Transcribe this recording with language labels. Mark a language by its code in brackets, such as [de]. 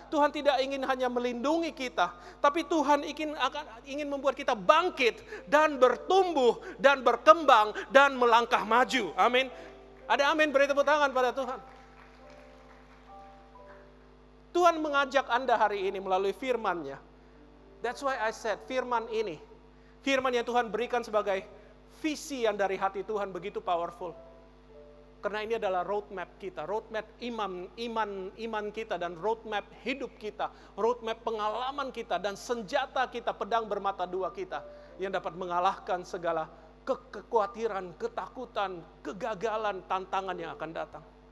[id] Tuhan tidak ingin hanya melindungi kita. Tapi Tuhan ingin membuat kita bangkit dan bertumbuh dan berkembang dan melangkah maju. Amin. Ada amin, beri tepuk tangan pada Tuhan. Tuhan mengajak Anda hari ini melalui firman-Nya. [en] That's why I said [id] firman ini. Firman yang Tuhan berikan sebagai visi yang dari hati Tuhan begitu powerful. Karena ini adalah roadmap kita, roadmap iman kita dan roadmap hidup kita, roadmap pengalaman kita dan senjata kita, pedang bermata dua kita yang dapat mengalahkan segala kekhawatiran, ketakutan, kegagalan, tantangan yang akan datang.